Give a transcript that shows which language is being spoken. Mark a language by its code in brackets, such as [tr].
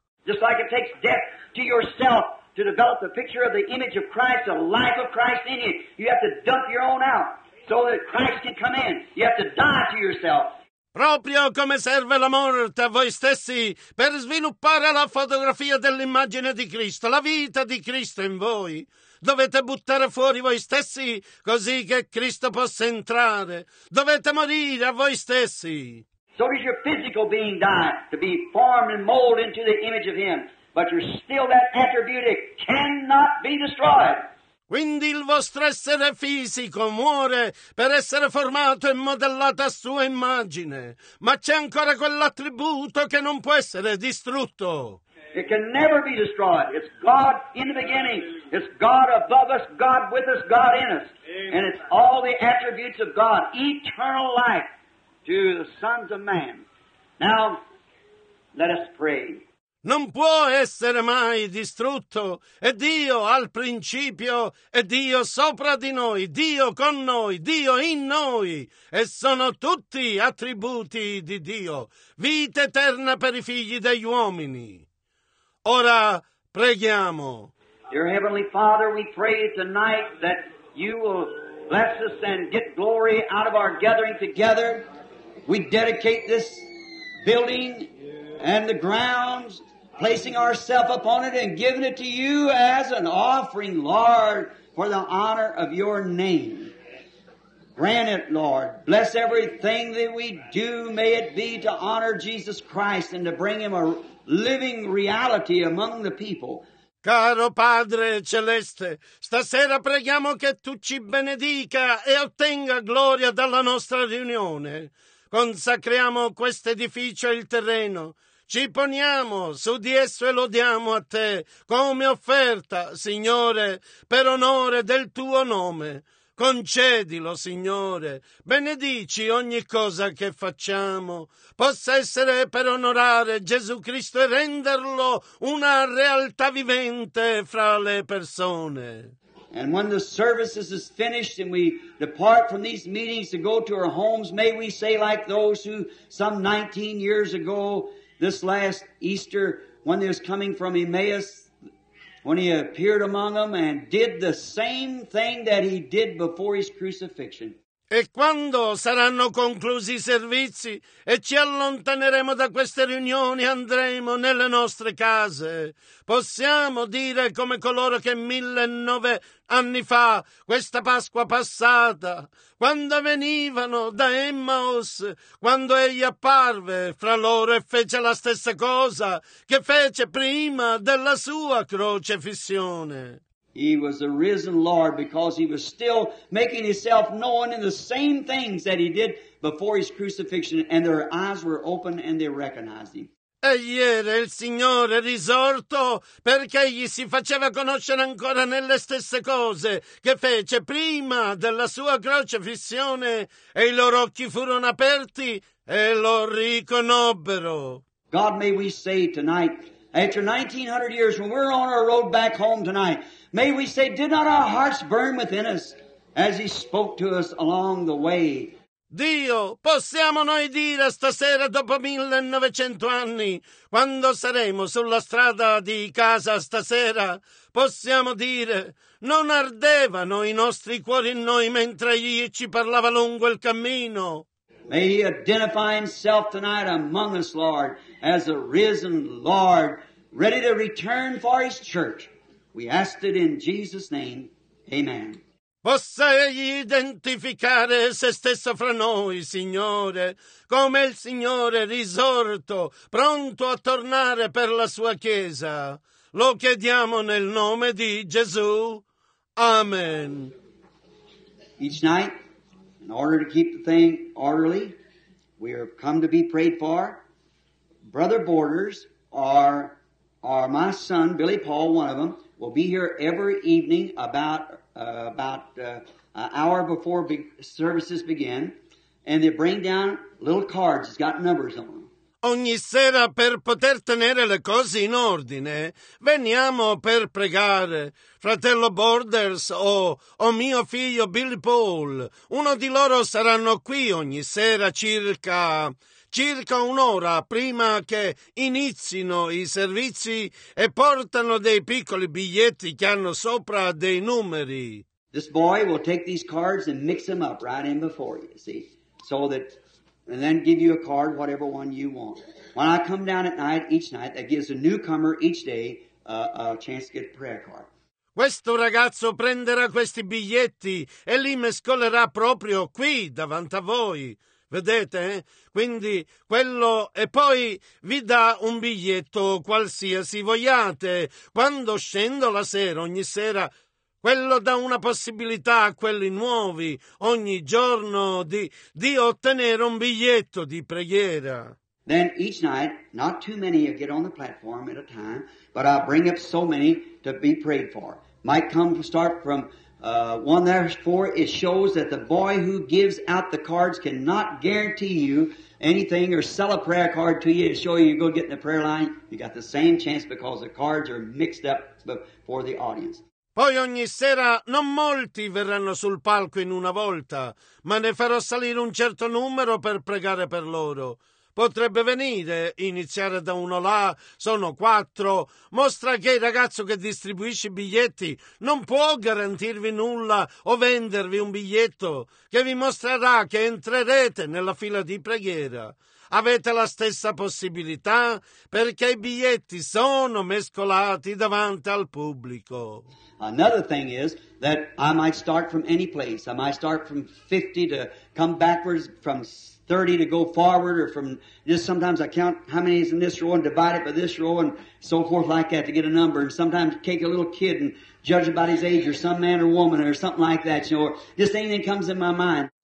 [en] Just like it takes death to yourself to develop the picture of the image of Christ, the life of Christ in you. You have to dump your own out so that Christ can come in. You have to die to yourself. [it] Proprio come serve la morte a voi stessi per sviluppare la fotografia dell'immagine di Cristo, la vita di Cristo in voi. Dovete buttare fuori voi stessi così che Cristo possa entrare. Dovete morire a voi stessi. [en] So does your physical being die to be formed and molded into the image of Him. But you're still that attribute. It cannot be destroyed. [it] Quindi il vostro essere fisico muore per essere formato e modellato a sua immagine. Ma c'è ancora quell'attributo che non può essere distrutto. [en] It can never be destroyed. It's God in the beginning. It's God above us, God with us, God in us. And it's all the attributes of God, eternal life to the sons of man. Now, let us pray. [it] Non può essere mai distrutto. È Dio al principio, è Dio sopra di noi, Dio con noi, Dio in noi. E sono tutti attributi di Dio. Vita eterna per i figli degli uomini. Ora preghiamo. [en] Dear Heavenly Father, we pray tonight that you will bless us and get glory out of our gathering together. We dedicate this building and the grounds, placing ourselves upon it and giving it to you as an offering, Lord, for the honor of your name. Grant it, Lord. Bless everything that we do. May it be to honor Jesus Christ and to bring him a living reality among the people. [it] Caro Padre Celeste, stasera preghiamo che tu ci benedica e ottenga gloria dalla nostra riunione. Consacriamo questo edificio e il terreno. Ci poniamo su di esso e lodiamo a te come offerta, Signore, per onore del tuo nome. Concedilo, Signore, benedici ogni cosa che facciamo, possa essere per onorare Gesù Cristo e renderlo una realtà vivente fra le persone. [en] And when the services is finished and we depart from these meetings to go to our homes, may we say like those who some 19 years ago, this last Easter, when they was coming from Emmaus, when he appeared among them and did the same thing that he did before his crucifixion. [it] E quando saranno conclusi i servizi e ci allontaneremo da queste riunioni, andremo nelle nostre case. Possiamo dire come coloro che 1009 anni fa, questa Pasqua passata, quando venivano da Emmaus, quando egli apparve fra loro e fece la stessa cosa che fece prima della sua crocefissione. [en] He was the risen Lord because he was still making himself known in the same things that he did before his crucifixion, and their eyes were open and they recognized him. [it] Egli era il Signore risorto perché egli si faceva conoscere ancora nelle stesse cose che fece prima della sua crocifissione, e i loro occhi furono aperti e lo riconobbero. [en] God, may we say tonight, after 1900 years, when we're on our road back home tonight, may we say, did not our hearts burn within us as he spoke to us along the way? [it] Dio, possiamo noi dire stasera dopo 1900 anni, quando saremo sulla strada di casa stasera, possiamo dire, non ardevano i nostri cuori in noi mentre egli ci parlava lungo il cammino? [en] May he identify himself tonight among us, Lord, as a risen Lord, ready to return for his church. We ask it in Jesus' name. Amen. [it] Possa egli identificare se stesso fra noi, Signore, come il Signore risorto, pronto a tornare per la sua Chiesa. Lo chiediamo nel nome di Gesù. Amen. [en] Each night, in order to keep the thing orderly, we have come to be prayed for. Brother Borders, or my son, Billy Paul, one of them, will be here every evening about an hour before services begin, and they bring down little cards. It's got numbers on them. [it] Ogni sera, per poter tenere le cose in ordine, veniamo per pregare. Fratello Borders o mio figlio Billy Paul, uno di loro saranno qui ogni sera circa un'ora prima che inizino i servizi e portano dei piccoli biglietti che hanno sopra dei numeri. [en] This boy will take these cards and mix them up right in before you, see, so that, and then give you a card, whatever one you want. When I come down at night, each night, that gives a newcomer each day a chance to get a prayer card. [it] Questo ragazzo prenderà questi biglietti e li mescolerà proprio qui davanti a voi. Vedete? Quindi quello, e poi vi dà un biglietto qualsiasi vogliate. Quando scendo la sera, ogni sera, Quello dà una possibilità a quelli nuovi ogni giorno di ottenere un biglietto di preghiera. [en] Then each night, not too many will get on the platform at a time, but I'll bring up so many to be prayed for. Might come to start from one there four. It shows that the boy who gives out the cards cannot guarantee you anything or sell a prayer card to you to show you go get in the prayer line. You got the same chance because the cards are mixed up before the audience. [it] Poi ogni sera non molti verranno sul palco in una volta, ma ne farò salire un certo numero per pregare per loro. Potrebbe venire, iniziare da uno là, sono quattro. Mostra che il ragazzo che distribuisce i biglietti non può garantirvi nulla o vendervi un biglietto che vi mostrerà che entrerete nella fila di preghiera. Avete la stessa possibilità perché i biglietti sono mescolati davanti al pubblico. [en] Another thing is that I might start from any place. I might start from 50 to come backwards from 30 to go forward, or from just sometimes I count how many is in this row and divide it by this row and so forth like that to get a number, and sometimes take a little kid and judge about his age or some man or woman or something like that, you know, or just anything comes in my mind.